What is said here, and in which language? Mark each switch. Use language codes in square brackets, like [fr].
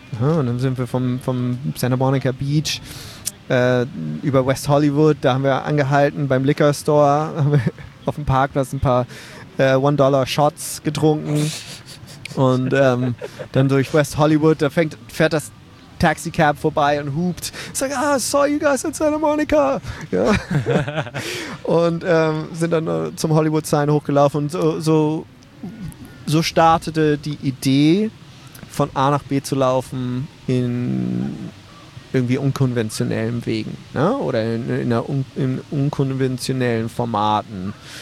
[de] Und dann sind wir vom Santa Monica Beach über West Hollywood, da haben wir angehalten beim Liquor Store, haben wir auf dem Parkplatz ein paar $1 Shots getrunken und dann durch West Hollywood, da fährt das Taxicab vorbei und hupt. [en] It's like, I saw you guys at Santa Monica. [de] Ja. Und sind dann zum Hollywood Sign hochgelaufen und so startete die Idee, von A nach B zu laufen in irgendwie unkonventionellen Wegen, ne? Oder in unkonventionellen Formaten.